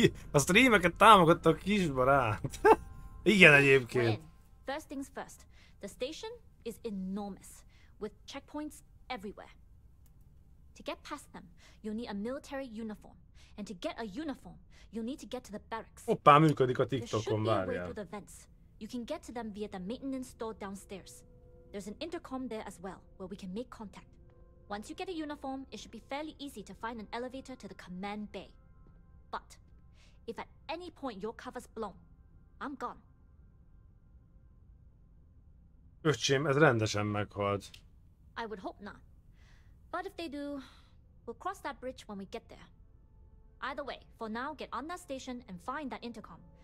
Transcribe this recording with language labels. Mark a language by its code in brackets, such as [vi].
[hu] A streameket támogatta a kisbarát. Igen, egyébként. [en] First things first. The station is enormous, with checkpoints everywhere. To get past them, you'll need a military uniform. And to get a uniform, you'll need to get to the barracks. [hu] Hoppá, működik a TikTokon, várjál. [en] You can get to them via the maintenance door downstairs. There's an intercom there as well, where we can make contact. Once you get a uniform, it should be fairly easy to find an elevator to the command bay. But if at any point your cover's blown, I'm gone. [hu] Öcsém, ez rendesen meghalt. [en] I would hope not. But if they do, we'll cross that bridge when we get there. Either way, for now, get on that station and find that intercom.